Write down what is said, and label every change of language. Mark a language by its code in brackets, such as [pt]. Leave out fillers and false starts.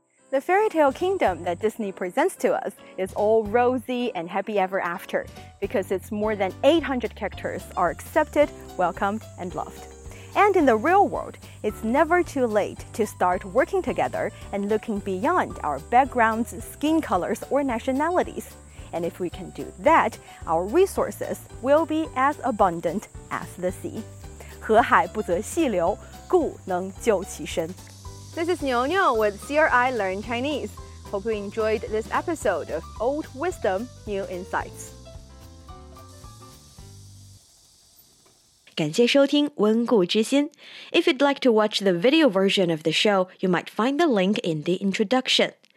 [en] The fairy tale kingdom that Disney presents to us is all rosy and happy ever after, because its more than 800 characters are accepted, welcomed, and loved. And in the real world, it's never too late to start working together and looking beyond our backgrounds, skin colors, or nationalities. And if we can do that, our resources will be as abundant as the sea. [zh] 河海不择细流，故能就其深。 [en] This is Niu Niu with CRI Learn Chinese. Hope you enjoyed this episode of Old Wisdom, New Insights. [zh] 感谢收听温故知新。 [en] If you'd like to watch the video version of the show, you might find the link in the introduction.